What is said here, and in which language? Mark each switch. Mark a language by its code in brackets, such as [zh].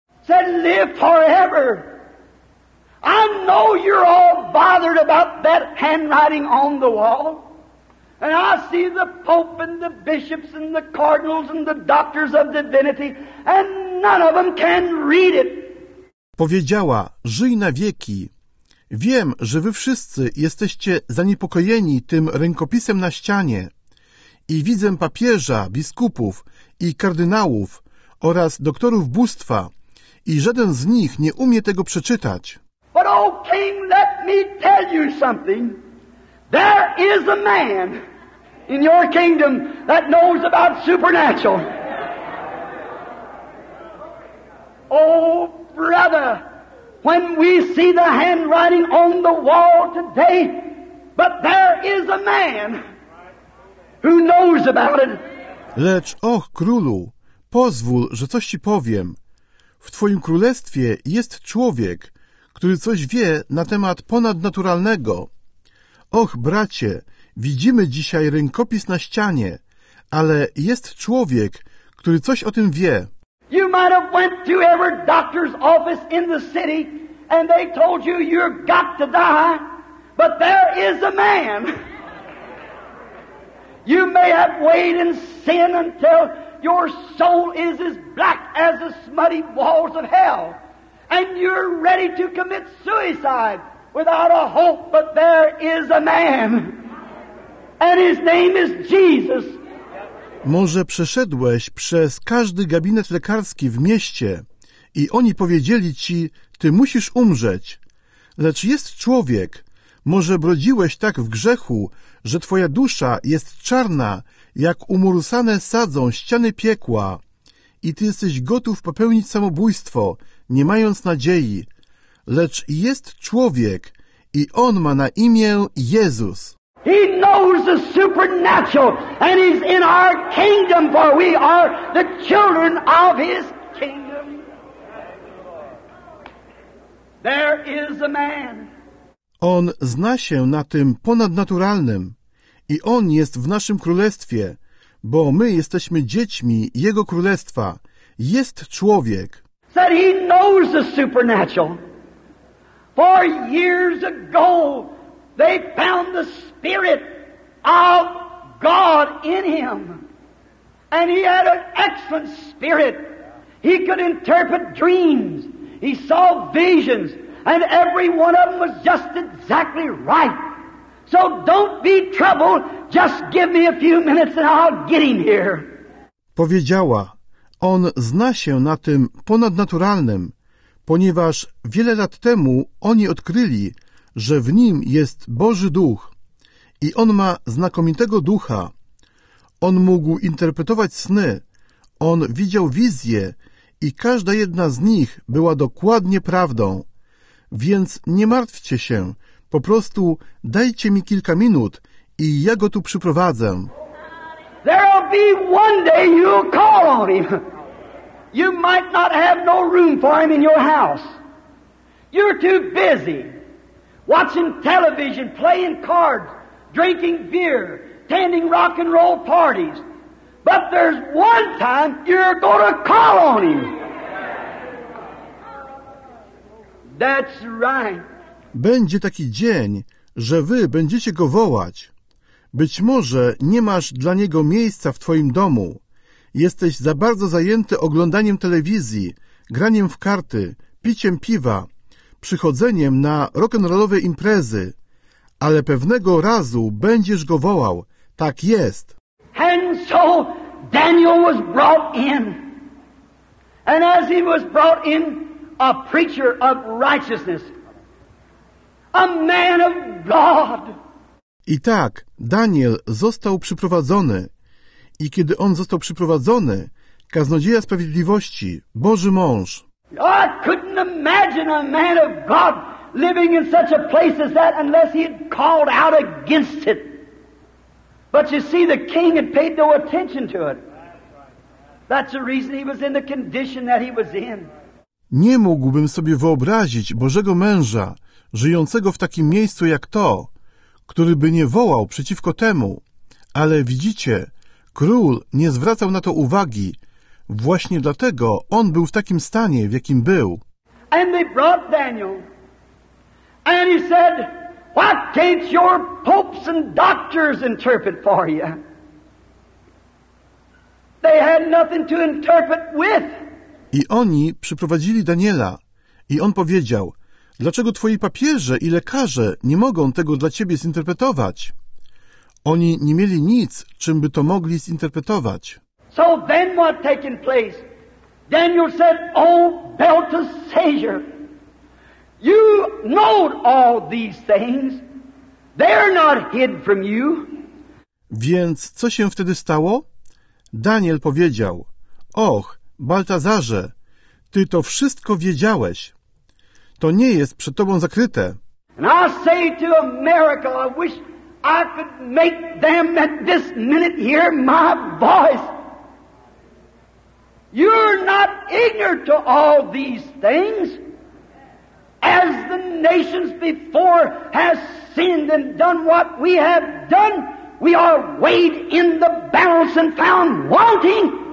[en] Said, "Live forever. I know you're all bothered about that handwriting on the wall. And I see the Pope and the bishops and the cardinals and the doctors of divinity, and none of them can read it." [pl] Powiedziała, żyj na wieki. Wiem, że wy wszyscy jesteście zaniepokojeni tym rękopisem na ścianie. I widzę papieża, biskupów i kardynałów oraz doktorów bóstwa i żaden z nich nie umie tego przeczytać. [en] But oh, King, let me tell you something. There is a man in your kingdom that knows about supernatural. Oh, brother, when we see the handwriting on the wall today, but there is a man who knows about it. [pl] Lecz, och, królu, pozwól, że coś ci powiem. W twoim królestwie jest człowiek, który coś wie na temat ponadnaturalnego. Och, bracie, widzimy dzisiaj rękopis na ścianie, ale jest człowiek, który coś o tym wie. [en] You might have went to every doctor's office in the city and they told you you've got to die, but there is a man. You may have weighed in sin until your soul is as black as the smutty walls of hell, and you're ready to commit suicide without a hope, but there is a man, and his name is Jesus. [pl] Może przeszedłeś przez każdy gabinet lekarski w mieście i oni powiedzieli ci, ty musisz umrzeć, lecz jest człowiek. Może brodziłeś tak w grzechu, że twoja dusza jest czarna, jak umursane sadzą ściany piekła i ty jesteś gotów popełnić samobójstwo, nie mając nadziei, lecz jest człowiek i on ma na imię Jezus. [en] He knows the supernatural and he's in our kingdom, for we are the children of his kingdom. There is a man. [pl] On zna się na tym ponadnaturalnym i on jest w naszym królestwie, bo my jesteśmy dziećmi jego królestwa. Jest człowiek. [en] That he knows the supernatural. For years ago they found the Spirit of God in him. And he had an excellent spirit. He could interpret dreams. He saw visions. And every one of them was just exactly right. So don't be troubled. Just give me a few minutes and I'll get him here. [pl] Powiedziała, on zna się na tym ponadnaturalnym, ponieważ wiele lat temu oni odkryli, że w nim jest Boży Duch. I on ma znakomitego ducha. On mógł interpretować sny, on widział wizje i każda jedna z nich była dokładnie prawdą. Więc nie martwcie się, po prostu dajcie mi kilka minut i ja go tu przyprowadzę. [en] There'll be one day you'll call on him. You might not have no room for him in your house. You're too busy watching television, playing cards, drinking beer, attending rock and roll parties. But there's one time you're going to call on him. That's right. [pl] Będzie taki dzień, że wy będziecie go wołać. Być może nie masz dla niego miejsca w twoim domu. Jesteś za bardzo zajęty oglądaniem telewizji, graniem w karty, piciem piwa, przychodzeniem na rock'n'rollowe imprezy. Ale pewnego razu będziesz go wołał. Tak jest. [en] And so Daniel was brought in. And as he was brought in, a preacher of righteousness. A man of God. [pl] I tak Daniel został przyprowadzony. I kiedy on został przyprowadzony, kaznodzieja sprawiedliwości, Boży mąż. [en] I couldn't imagine a man of God living in such a place as that unless he had called out against it. But you see, the king had paid no attention to it. That's the reason he was in the condition that he was in. [pl] Nie mógłbym sobie wyobrazić Bożego męża, żyjącego w takim miejscu jak to, który by nie wołał przeciwko temu. Ale widzicie, król nie zwracał na to uwagi. Właśnie dlatego on był w takim stanie, w jakim był. [en] And they brought Daniel. And he said, "Why can't your popes and doctors interpret for you?" They had nothing to interpret with. [pl] I oni przyprowadzili Daniela. I on powiedział, dlaczego twoi papieże i lekarze nie mogą tego dla ciebie zinterpretować? Oni nie mieli nic, czym by to mogli zinterpretować. [en] So then what taken place? Daniel said, "O Belteshazzar, you know all these things. They're not hid from you." [pl] Więc co się wtedy stało? Daniel powiedział, "Och, Baltazarze, ty to wszystko wiedziałeś. To nie jest przed tobą zakryte." [en] And I say to America, I wish I could make them at this minute hear my voice. You're not ignorant to all these things. As the nations before has sinned and done what we have done, we are weighed in the balance and found wanting.